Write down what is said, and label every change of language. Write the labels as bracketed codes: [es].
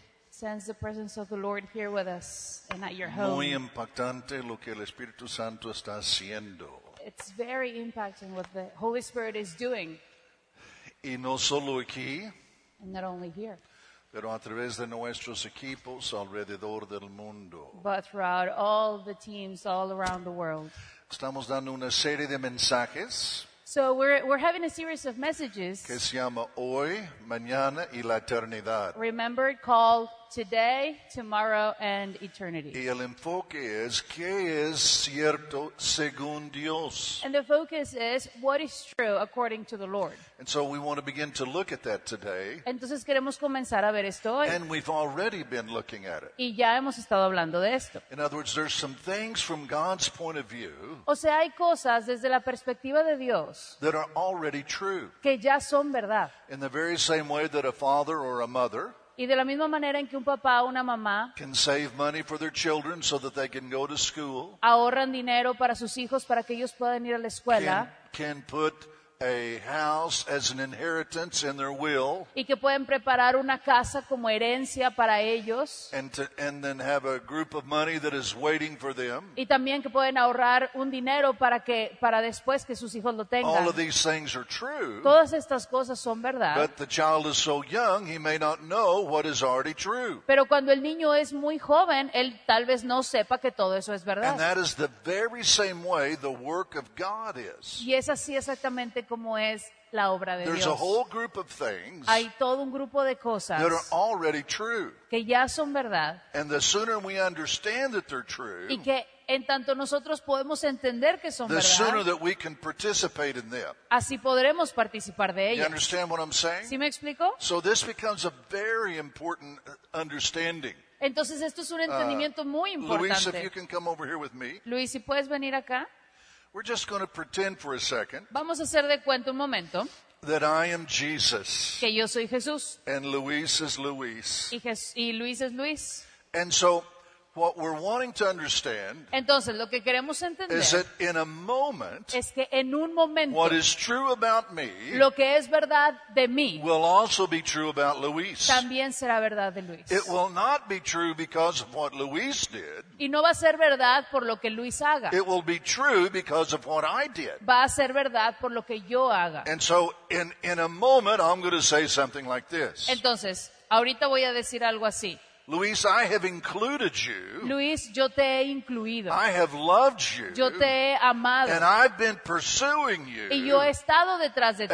[en] Sense the presence of the Lord here with us and at your home. [es] Muy impactante lo que el Espíritu Santo está haciendo. [en] It's very impacting what the Holy Spirit is doing. [es] Y no solo aquí, [en] and not only here, [es] pero a través de nuestros equipos alrededor del mundo, [en] but throughout all the teams all around the world. [es] Estamos dando una serie de mensajes. [en] So we're having a series of messages [es] que se llama Hoy, Mañana y la Eternidad. [en] Remember, called Today, Tomorrow, and Eternity. [es] Y el enfoque es, ¿qué es cierto según Dios? [en] And the focus is, what is true according to the Lord? And so we want to begin to look at that today. [es] Entonces queremos comenzar a ver esto hoy. [en] And we've already been looking at it. [es] Y ya hemos estado hablando de esto. [en] In other words, there's some things from God's point of view, [es] o sea, hay cosas desde la perspectiva de Dios, [en] that are already true. [es] Que ya son verdad. [en] In the very same way that a father or a mother, [es] y de la misma manera en que un papá o una mamá, [en] can save money for their children so that they can go to school, [es] ahorran dinero para sus hijos para que ellos puedan ir a la escuela, [en] can put a house as an inheritance in their will, [es] y que pueden preparar una casa como herencia para ellos, [en] and then have a group of money that is waiting for them, [es] y también que pueden ahorrar un dinero para después que sus hijos lo tengan. [en] All of these things are true. [es] Todas estas cosas son verdad. [en] But the child is so young, he may not know what is already true. [es] Pero cuando el niño es muy joven, él tal vez no sepa que todo eso es verdad. [en] And that is the very same way the work of God is. [es] Y es así exactamente como es la obra de [en] There's [es] Dios. [en] A whole group of things, [es] hay todo un grupo de cosas [en] that are already true, [es] que ya son verdad. [en] And the sooner we understand that they're true, [es] y que en tanto nosotros podemos entender que son [en] the [es] verdad, [en] sooner that we can participate in them. [es] Así podremos participar de ellas. [en] You understand what I'm saying? [es] ¿Sí me explico? [en] So this becomes a very important understanding. [es] Entonces esto es un entendimiento muy importante. [en] Luis, if you can come over here with me. [es] Luis, si puedes venir acá. [en] We're just going to pretend for a second. [es] Vamos a hacer de cuenta un momento. [en] That I am Jesus. [es] Que yo soy Jesús. [en] And Luis is Luis. [es] Y Luis es Luis. [en] And so, what we're wanting to understand, [es] entonces, lo que queremos entender, [en] is that in a moment, [es] es que en un momento, [en] what is true about me, [es] lo que es verdad de mí, [en] will also be true about Luis. [es] También será verdad de Luis. [en] It will not be true because of what Luis did. [es] Y no va a ser verdad por lo que Luis haga. [en] It will be true because of what I did. [es] Va a ser verdad por lo que yo haga. [en] And so, in a moment, I'm going to say something like this. [es] Entonces, ahorita voy a decir algo así. [en] Luis, I have included you. [es] Luis, yo te he incluido. [en] I have loved you. [es] Yo te he amado. [en] And I've been pursuing you. [es] Y yo he estado detrás de ti.